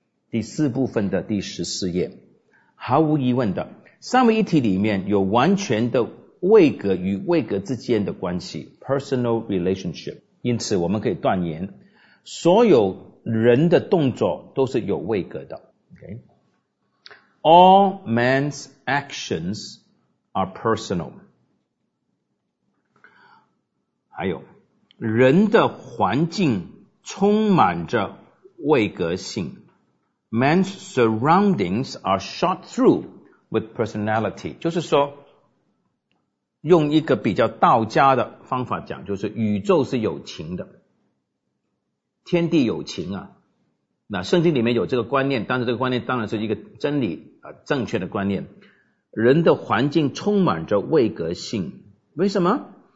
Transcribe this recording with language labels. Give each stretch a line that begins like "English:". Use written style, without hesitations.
Chinese: 第四部分的第十四页，毫无疑问的，三位一体里面有完全的位格与位格之间的关系 ，
English: personal relationship。
Chinese: 因此，我们可以断言，所有人的动作都是有位格的。
English: Okay. All men's actions are personal.
Chinese: 还有，人的环境充满着位格性。
English: Man's surroundings are shot through with personality.
Chinese: 就是说，用一个比较道家的方法讲，就是宇宙是有情的，天地有情啊。那圣经里面有这个观念，但是这个观念当然是一个真理啊，正确的观念。人的环境充满着位格性，为什么？